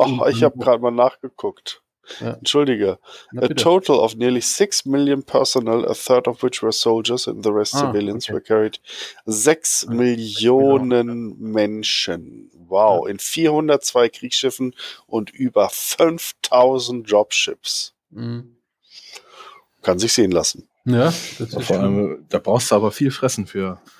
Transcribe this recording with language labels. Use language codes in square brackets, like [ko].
[de] Ich habe gerade mal nachgeguckt. Ja. Entschuldige. [en] A total of nearly 6 million personnel, a third of which were soldiers and the rest civilians were carried. [de] 6 Millionen Menschen. Wow. Ja. In 402 Kriegsschiffen und über 5000 Dropships. Mhm. Kann sich sehen lassen. Ja, das ist vor allem, da brauchst du aber viel Fressen für.